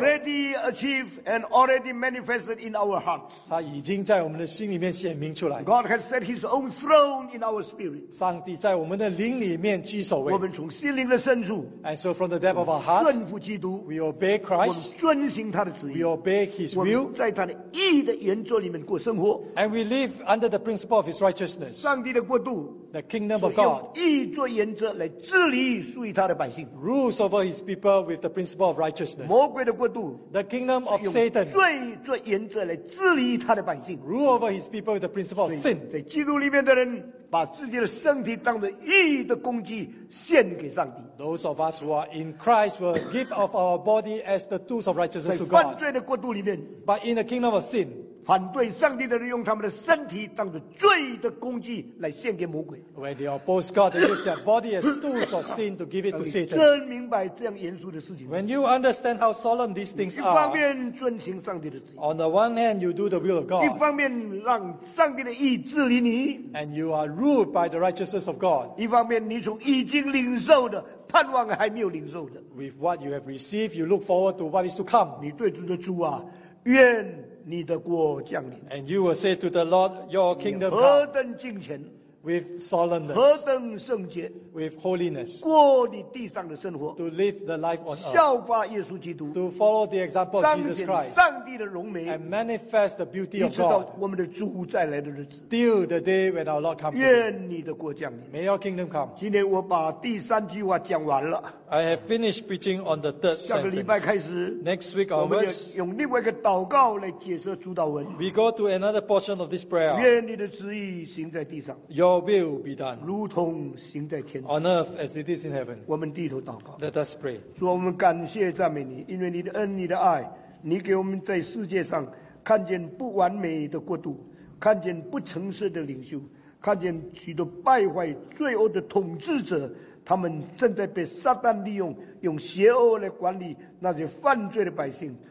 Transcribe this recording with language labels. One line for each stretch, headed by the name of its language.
English: Already achieved and already manifested in our hearts.
Chinese: 它已经在我们的心里面显明出来。
English: God has set His own throne in our spirit.
Chinese: 上帝在我们的灵里面居首位。我们从心灵的深处。
English: And so from the depth of our hearts.
Chinese: 顺服基督。
English: We obey Christ.
Chinese: 我们遵行他的旨意。
English: We obey His will.
Chinese: 我们在他的义的原则里面过生活。
English: And we live under the principle of His righteousness.
Chinese: 上帝的国度。
English: the kingdom of God.
Chinese: 所以用义作原则来治理属于他的百姓。
English: Rules over his people with the principle of righteousness.
Chinese: 魔鬼的国度。
English: The kingdom of Satan.
Chinese: 用罪作原则来治理他的百姓。
English: Rule over his people with the principle of sin.
Chinese: 在基督里面的人把自己的身体当作义的工具献给上帝。
English: Those of us who are in Christ will give of our body as the tools of righteousness to God.
Chinese: 在犯罪的国度里面。
English: But in the kingdom of sin.
Chinese: 反对上帝的人用他们的身体当作罪的工具来献给魔鬼。
English: When they oppose God, they use their body as tools of sin to give it to Satan.
Chinese: 真明白这样严肃的事情。
English: When you understand how solemn these things are,
Chinese: 一方面遵行上帝的旨意。
English: On the one hand, you do the will of God.
Chinese: 一方面让上帝的意治理你。
English: And you are ruled by the righteousness of God.
Chinese: 一方面你从已经领受的盼望还没有领受的。
English: With what you have received, you look forward to what is to come.
Chinese: 你对主的主啊，愿你的国降临。
English: And you will say to the Lord, Your kingdom come.
Chinese: 何等敬虔。
English: With solemnness.
Chinese: 何等圣洁。
English: With holiness.
Chinese: 过你地上的生活。
English: To live the life on earth.
Chinese: 效法耶稣基督。
English: To follow the example of Jesus Christ.
Chinese: 彰显上帝的荣美。
English: And manifest the beauty of God.
Chinese: 一直到我们的主再来的日子。
English: Till the day when our Lord comes.
Chinese: 愿你的国降临。
English: May your kingdom come.
Chinese: 今天我把第三句话讲完了。
English: I have finished preaching on the third sentence.
Chinese: 下个礼拜开始
English: Next week onwards,
Chinese: 我们用另外一个祷告来解释主导文。
English: We go to another portion of this prayer.
Chinese: 愿你的旨意行在地上。
English: Your will be done.
Chinese: 如同行在天上。
English: On earth as it is in heaven.
Chinese: 我们低头祷告。
English: Let us pray.
Chinese: 主，我们感谢赞美你，因为你的恩，你的爱，你给我们在世界上看见不完美的国度，看见不诚实的领袖，看见许多败坏罪恶的统治者，他们正在被撒旦利用，用邪恶来管理那些犯罪的百姓。